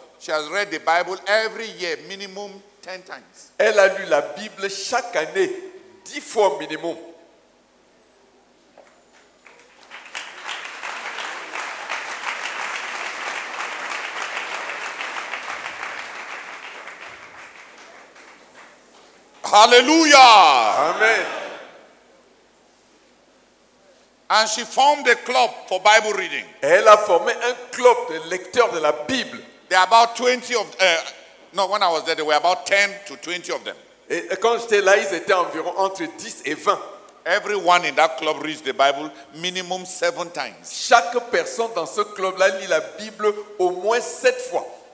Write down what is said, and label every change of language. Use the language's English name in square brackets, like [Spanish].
[English] She has read the Bible every year minimum 10 times. [French] Elle a lu la Bible chaque année 10 fois minimum. Mm-hmm. Hallelujah. Amen. [English] And she formed a club for Bible reading. [French] Elle a formé un club de lecteurs de la Bible. [English] There are about 20 of no, when I was there, there were about 10 to 20 of them. [French] Et quand j'étais là, ils étaient environ entre 10 et 20. [English] Everyone in that club reads the Bible minimum 7 times. [French] Chaque personne dans ce club là lit la Bible au moins 7 fois.